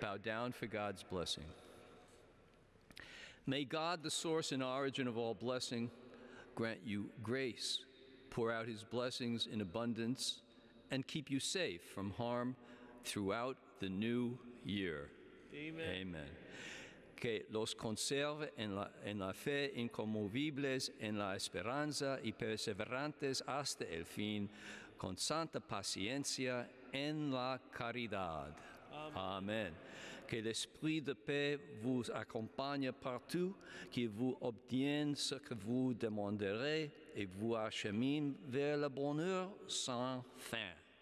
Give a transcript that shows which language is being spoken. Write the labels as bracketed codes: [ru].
[en] Bow down for God's blessing. May God, the source and origin of all blessing, grant you grace, pour out his blessings in abundance, and keep you safe from harm throughout the new year. Amen. Amen. [es] Que los conserve en la fe incomovibles, en la esperanza y perseverantes hasta el fin, con santa paciencia en la caridad. Amen. [fr] Que l'esprit de paix vous accompagne partout, qu'il vous obtienne ce que vous demanderez et vous achemine vers le bonheur sans fin.